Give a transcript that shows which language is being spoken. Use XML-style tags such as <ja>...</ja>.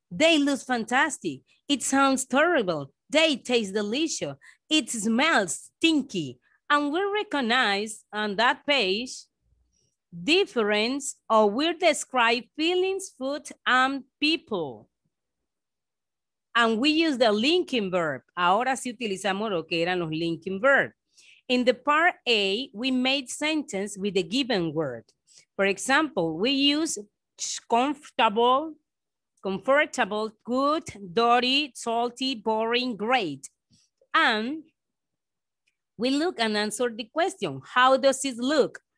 <en>They look fantastic. It sounds terrible. They taste delicious. It smells stinky. And we recognize on that page difference, or we describe feelings, food, and people. And we use the linking verb.</en> <es>Ahora sí utilizamos lo que eran los linking verbs.</es> <en>In the part A, we made sentence with the given word. For example, we use comfortable, comfortable, good, dirty, salty, boring, great. And we look and answer the question, how does it look?</en>